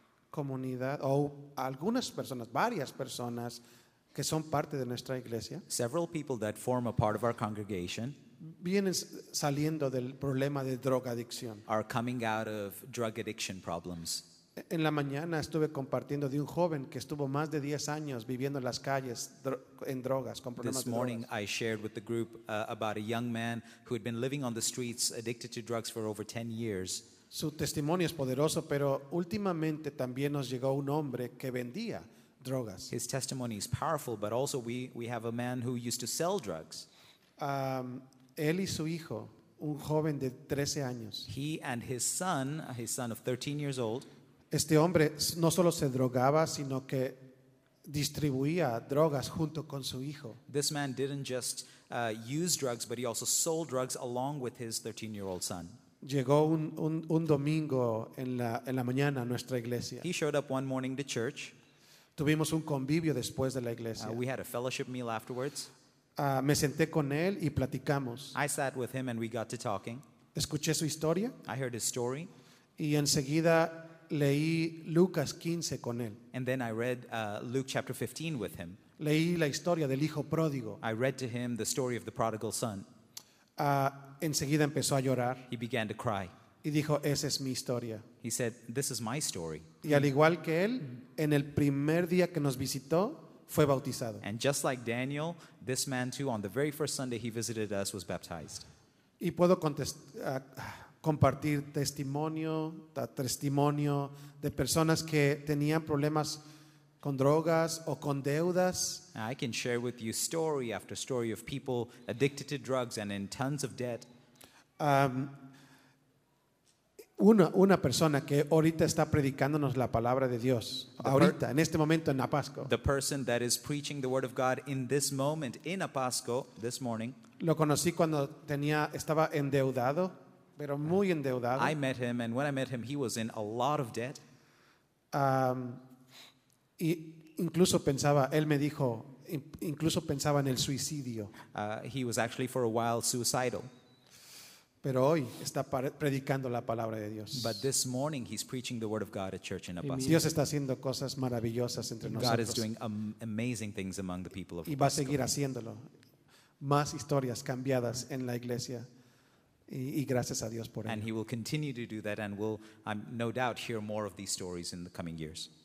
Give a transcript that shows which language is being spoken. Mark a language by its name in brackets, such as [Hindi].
[Spanish] Comunidad, o algunas personas, varias personas, que son parte de nuestra iglesia. [English] Several people that form a part of our congregation [Spanish] vienen saliendo del problema de drogadicción. [English] Are coming out of drug addiction problems. [Spanish] En la mañana estuve compartiendo de un joven que estuvo más de 10 años viviendo en las calles en drogas, con problemas de drogas. [English] This morning I shared with the group about a young man who had been living on the streets addicted to drugs for over 10 years. [Spanish] Su testimonio es poderoso, pero últimamente también nos llegó un hombre que vendía drogas. [English] His testimony is powerful, but also we have a man who used to sell drugs. [Spanish] Él y su hijo, un joven de 13 años. [English] He and his son of 13 years old. [Spanish] Este hombre no solo se drogaba, sino que distribuía drogas junto con su hijo. [English] This man didn't just use drugs, but he also sold drugs along with his 13-year-old son. [Spanish] Llegó un domingo en la mañana a nuestra iglesia. [English] He showed up one morning to church. [Spanish] Tuvimos un convivio después de la iglesia. [English] We had a fellowship meal afterwards. [Spanish] Me senté con él y platicamos. [English] I sat with him and we got to talking. [Spanish] Escuché su historia. [English] I heard his story. [Spanish] Y enseguida leí Lucas 15 con él. [English] And then I read Luke chapter 15 with him. [Spanish] Leí la historia del hijo pródigo. [English] I read to him the story of the prodigal son. [Spanish] Enseguida empezó a llorar. [English] He began to cry. [Spanish] Y dijo, esa es mi historia. [English] He said, this is my story. [Spanish] Y al igual que él, en el primer día que nos visitó, fue bautizado. [English] And just like Daniel, this man too, on the very first Sunday he visited us, was baptized. [Spanish] Y puedo compartir testimonio de personas que tenían problemas con drogas o con deudas. [English] I can share with you story after story of people addicted to drugs and in tons of debt. [Spanish] Una persona que ahorita está predicándonos la palabra de Dios, ahorita, en este momento en Apasco. [English] The person that is preaching the word of God in this moment in Apasco, this morning. [Spanish] Lo conocí cuando estaba endeudado, pero muy endeudado. [English] I met him, and when I met him, he was in a lot of debt. [Spanish] Incluso pensaba en el suicidio. [English] He was actually for a while suicidal. [Spanish] Pero hoy está predicando la palabra de Dios. [English] But this morning he's preaching the word of God at church in Apasco. [Spanish] Dios está haciendo cosas maravillosas entre nosotros. [English] God is doing amazing things among the people of Apasco. [Spanish] Y va a seguir haciéndolo. Más historias cambiadas en la iglesia. Y gracias a Dios por ello. [English] And he will continue to do that, and we'll, I'm no doubt, hear more of these stories in the coming years.